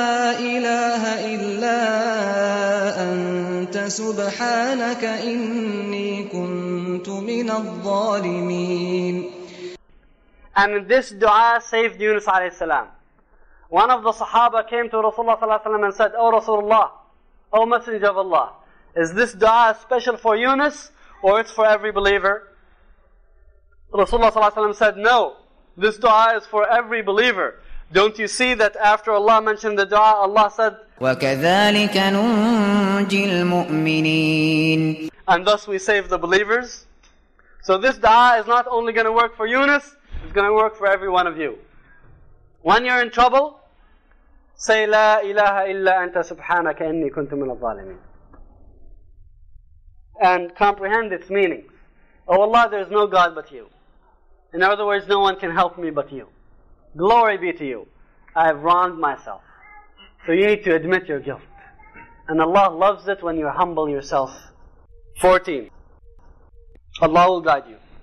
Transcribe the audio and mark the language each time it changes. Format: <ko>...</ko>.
<ar>لا إله إلا أنت سبحانك إني كنت من الظالمين.</ar> <en>And this dua saved Yunus عليه السلام. One of the Sahaba came to Rasulullah صلى الله عليه وسلم and said, "Oh Rasulullah, oh Messenger of Allah, is this dua special for Yunus or it's for every believer?" Rasulullah صلى الله عليه وسلم said, "No, this dua is for every believer. Don't you see that after Allah mentioned the dua, Allah said,</en> <ar>وَكَذَلِكَ نُنْجِي الْمُؤْمِنِينَ</ar> <en>And thus we save the believers. So this dua is not only going to work for Yunus, it's going to work for every one of you. When you're in trouble, say,</en> <ar>لا إله إلا أنت سبحانك إني كنت من الظالمين.</ar> <en>And comprehend its meaning. Oh Allah, there is no God but you. In other words, no one can help me but you. Glory be to you. I have wronged myself. So you need to admit your guilt. And Allah loves it when you humble yourself. 14. Allah will guide you.</en>